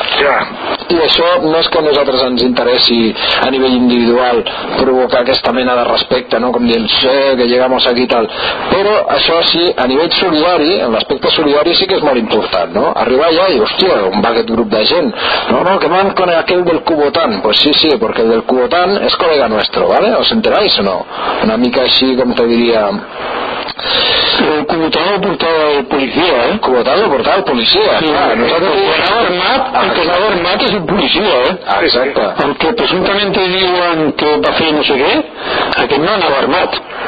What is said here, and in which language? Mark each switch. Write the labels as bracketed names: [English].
[Catalan] Ja. I això no és que a nosaltres ens interessi a nivell individual provocar aquesta mena de respecte, no? Com dient, sí, [Spanish] que llegamos aquí tal. [Catalan] Però això sí, a nivell solidari, en l'aspecte solidari sí que és molt important, no? Arribar allà i, hòstia, on va aquest grup de gent? No, no, que van con aquell del Cubotán. Pues sí, sí, perquè el del Cubotán és col·lega nuestro, ¿vale? [Spanish] ¿Os enteráis o no? [Catalan] Una mica així, com te diria... El Cubotán lo portava el policia, eh? Cubotán lo portava el policia, sí, clar. Nosaltres el que estava armat és un policia, eh? Exacte. El que presumptament diuen que va fer no sé què, aquest no anava armat.